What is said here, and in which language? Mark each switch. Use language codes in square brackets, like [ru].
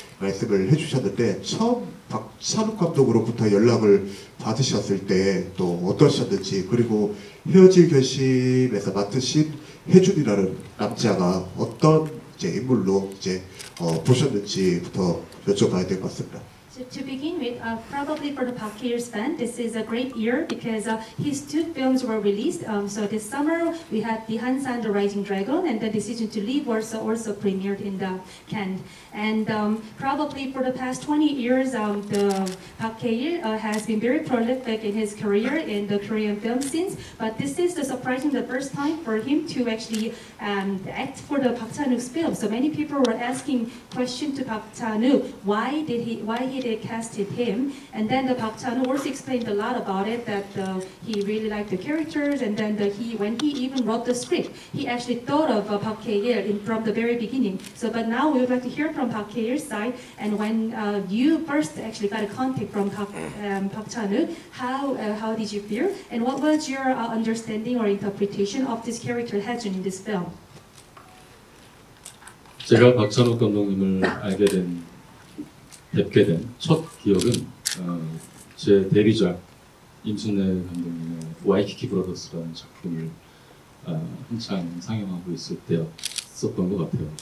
[ko] 말씀을 해주셨는데 처음 박찬욱 감독으로부터 연락을 받으셨을 때 또 어떠셨는지 그리고 헤어질 결심에서 맡으신 혜준이라는 남자가 어떤 인물로 이제 보셨는지부터 여쭤봐야 될 것 같습니다. [en] So to begin with, probably for the Park Hye's fan, this is a great year because his two films were released. So this summer we had the Hansan the Rising Dragon and the Decision to Leave was also premiered in the Cannes. And probably for the past 20 years, Park Hye has been very prolific in his career in the Korean film scenes. But this is the surprising the first time for him to actually act for the Park Chan-wook's film. So many people were asking question to Park Chan-wook, why did he they casted him. And then the Park Chan also explained a lot about it, that he really liked the characters. And then when he even wrote the script, he actually thought of Park Kae-il from the very beginning. So, but now we would like to hear from Park Kae-il's side. And when you first actually got a contact from Park Chan-wook, how did you feel? And what was your understanding or interpretation of this character Hye-jun in this film? [ko] 제가 박찬욱 감독님을 알게 된, 뵙게 된 첫 기억은 제 데뷔작 임순례 감독님의 와이키키 브라더스라는 작품을 한창 상영하고 있을 때였었던 것 같아요.